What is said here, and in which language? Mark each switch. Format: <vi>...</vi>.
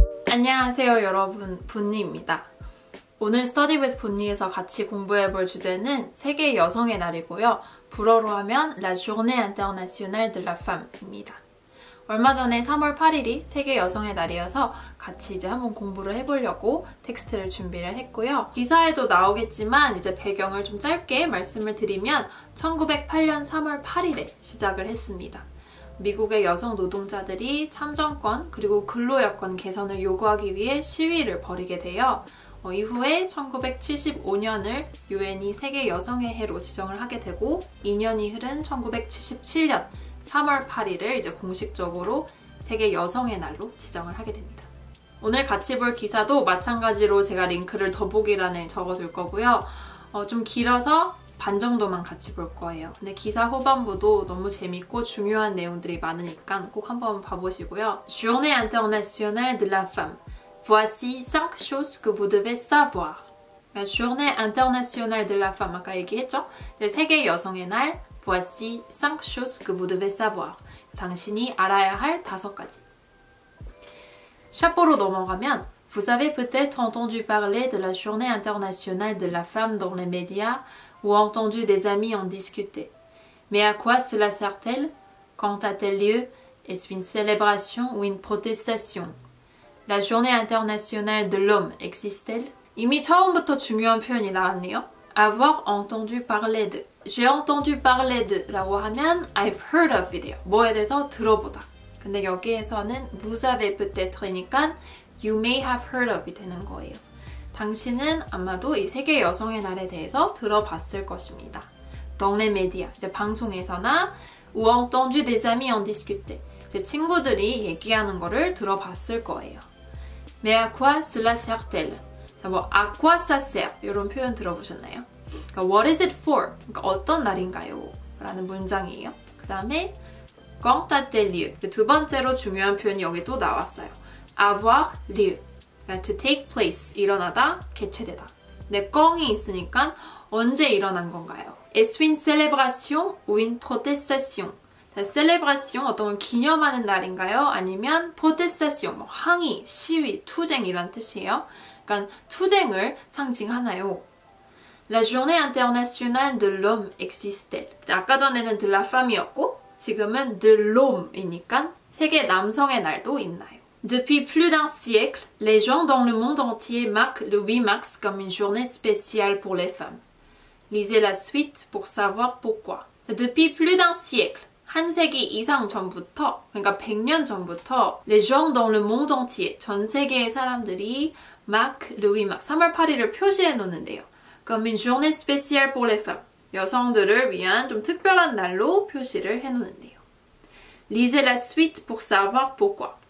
<ko>안녕하세요 여러분, 본니입니다. 오늘 Study with 본니에서 같이 공부해볼 주제는 세계 여성의 날이고요.</ko> <fr>불어로 하면 La Journée Internationale de la Femme입니다.</fr> <ko>얼마 전에 3월 8일이 세계 여성의 날이어서 같이 이제 한번 공부를 해보려고 텍스트를 준비를 했고요. 기사에도 나오겠지만 이제 배경을 좀 짧게 말씀을 드리면 1908년 3월 8일에 시작을 했습니다. 미국의 여성 노동자들이 참정권 그리고 근로여건 개선을 요구하기 위해 시위를 벌이게 되어 이후에 1975년을 UN이 세계 여성의 해로 지정을 하게 되고 2년이 흐른 1977년 3월 8일을 이제 공식적으로 세계 여성의 날로 지정을 하게 됩니다. 오늘 같이 볼 기사도 마찬가지로 제가 링크를 더보기란에 적어둘 거고요. 좀 길어서 반 정도만 같이 볼 거예요. 근데 기사 후반부도 너무 재밌고 중요한 내용들이 많으니까 꼭 한번 봐보시고요.</ko> <fr>Journée internationale de la femme. Voici 5 choses que vous devez savoir. Journée internationale de la femme.</fr> <ko>아까 얘기했죠? 세계 여성의 날.</ko> <fr>Voici 5 choses que vous devez savoir.</fr> <ko>당신이 알아야 할 다섯 가지. 샤프로 넘어가면</ko> <fr>Vous avez peut-être entendu parler de la Journée internationale de la femme dans les médias ou entendu des amis en discuter. Mais à quoi cela sert-elle? Quand a-t-elle lieu? Est-ce une célébration ou une protestation? La Journée internationale de l'homme existe-t-elle?</fr> <ko>이미 처음부터 중요한 표현이 나왔네요.</ko> <fr>Avoir entendu parler de. J'ai entendu parler de</fr> <ko>라고 하면</ko> <en>I've heard of it.</en> <ko>뭐에 대해서 들어보다. 근데 여기에서는</ko> <fr>vous avez peut-être</fr> <ko>이니까</ko> <en>you may have heard of it</en> <ko>되는 거예요. 당신은 아마도 이 세계 여성의 날에 대해서 들어봤을 것입니다.</ko> <fr>Dans les médias,</fr> <ko>이제 방송에서나</ko> <fr>ou entendu des amis en discuter,</fr> <ko>이제 친구들이 얘기하는 거를 들어봤을 거예요.</ko> <fr>Mais à quoi cela sert-elle?</fr> <ko>자, 뭐</ko> <fr>à quoi ça sert?</fr> <ko>이런 표현 들어보셨나요? 그러니까</ko> <en>what is it for?</en> <ko>그러니까 어떤 날인가요? 라는 문장이에요. 그 다음에</ko> <fr>quand a-t-il lieu?</fr> <ko>두 번째로 중요한 표현이 여기 또 나왔어요.</ko> <fr>avoir lieu.</fr> <en>To take place,</en> <ko>일어나다, 개최되다. 근데 꽝이 있으니까 언제 일어난 건가요?</ko> <fr>Est-ce une célébration ou une protestation?</fr> <ko>Célébration, 어떤 걸 기념하는 날인가요? 아니면 protestation, 뭐 항의, 시위, 투쟁이란 뜻이에요. 그러니까 투쟁을 상징하나요?</ko> <fr>La journée internationale de l'homme existe-t-elle?</fr> <ko>아까 전에는 de la femme이었고 지금은 de l'homme이니까 세계 남성의 날도 있나요?</ko> <fr>Depuis plus d'un siècle, les gens dans le monde entier marquent le 8 mars comme une journée spéciale pour les femmes. Lisez la suite pour savoir pourquoi. Depuis plus d'un siècle,</fr> <ko>한 세기 이상 전부터, 그러니까 100년 전부터,</ko> <fr>les gens dans le monde entier,</fr> <ko>전 세계의 사람들이</ko> <fr>marquent le 8 mars,</fr> <ko>3월 8일을 표시해 놓는데요.</ko> <fr>Comme une journée spéciale pour les femmes.</fr> <ko>여성들을 위한 좀 특별한 날로 표시를 해 놓는데요.</ko> <fr>Lisez la suite pour savoir pourquoi.</fr>